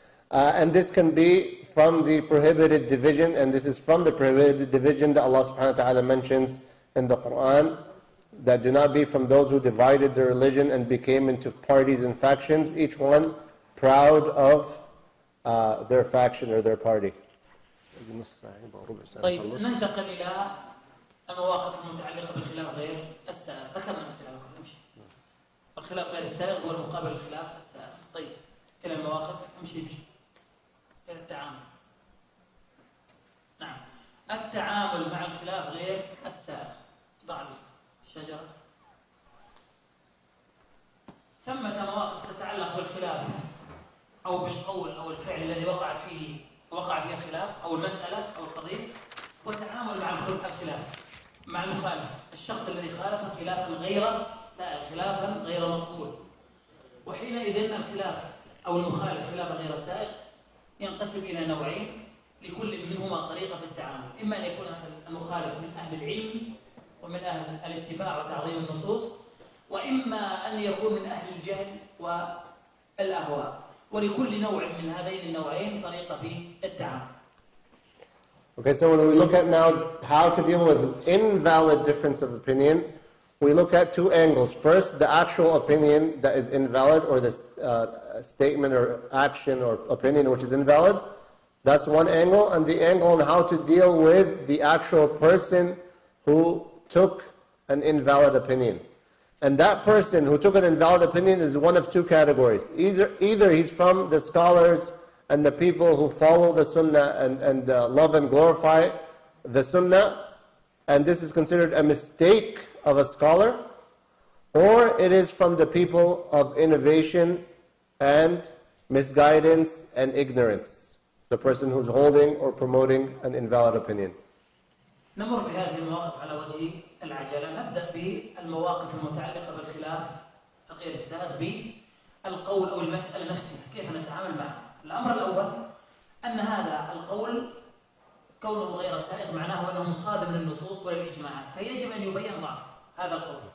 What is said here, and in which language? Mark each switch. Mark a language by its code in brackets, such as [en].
[en] And this can be from the prohibited division, and this is from the prohibited division that Allah subhanahu wa ta'ala mentions in the Quran, that do not be from those who divided their religion and became into parties and factions, each one proud of their faction or their party. [ar] طيب ننتقل إلى المواقف المتعلقة بالخلاف غير السائغ. ذكرنا الخلاف غير السائغ. الخلاف غير السائغ هو المقابل الخلاف السائغ. طيب إلى المواقف. امشي إلى التعامل. التعامل مع الخلاف غير السائغ. بعض الشجرة ثمة مواقف تتعلق بالخلاف أو بالقول أو الفعل الذي وقع فيه الخلاف أو المسألة أو القضية، والتعامل مع الخلاف مع المخالف، الشخص الذي خالف خلافا غير سائغ، خلافا غير مقبول. وحينئذ الخلاف أو المخالف خلافا غير سائغ ينقسم إلى نوعين، لكل منهما طريقة في التعامل. إما أن يكون المخالف من أهل العلم ومن أهل الاتباع وتعظيم النصوص، وإما أن يكون من أهل الجهل والأهواء. ولكل نوع من هذين النوعين طريقة في التعامل. [en] Okay, so when we look at now how to deal with an invalid difference of opinion, we look at two angles. First, the actual opinion that is invalid, or this statement or action or opinion which is invalid. That's one angle. And the angle on how to deal with the actual person who took an invalid opinion. And that person who took an invalid opinion is one of two categories. Either he's from the scholars and the people who follow the Sunnah and love and glorify the Sunnah, and this is considered a mistake of a scholar, or it is from the people of innovation and misguidance and ignorance, the person who's holding or promoting an invalid opinion. [ar] نمر بهذه المواقف على وجه العجلة. نبدأ بالمواقف المتعلقة بالخلاف غير السائغ بالقول أو المسألة نفسها، كيف نتعامل معها. الأمر الأول أن هذا القول كونه غير سائغ معناه أنه مصادم للنصوص وللإجماعات، فيجب أن يبين ضعف هذا القول.